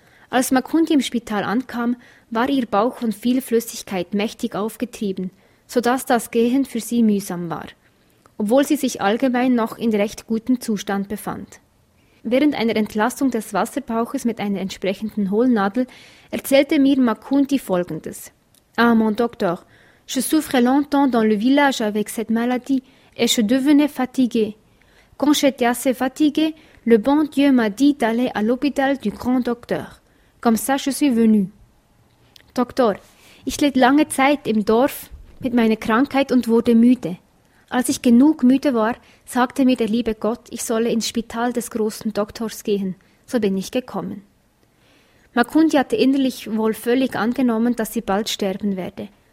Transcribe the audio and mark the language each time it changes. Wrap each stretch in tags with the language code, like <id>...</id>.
<de>Als Makundi im Spital ankam, war ihr Bauch von viel Flüssigkeit mächtig aufgetrieben, sodass das Gehen für sie mühsam war, obwohl sie sich allgemein noch in recht gutem Zustand befand. Während einer Entlastung des Wasserbauches mit einer entsprechenden Hohlnadel erzählte mir Makundi Folgendes.</de> <fr>«Ah, mon docteur, je souffre longtemps dans le village avec cette maladie et je devenais fatigué. Quand j'étais assez fatigué, Le bon Dieu m'a dit d'aller à l'hôpital du grand docteur. Comme ça, je suis venu.</fr> <de>Doktor, ich litt lange Zeit im Dorf mit meiner Krankheit und wurde müde. Als ich genug müde war, sagte mir der liebe Gott, ich solle ins Spital des großen Doktors gehen. So bin ich gekommen. Makundi hatte innerlich wohl völlig angenommen, dass sie bald sterben werde.</de>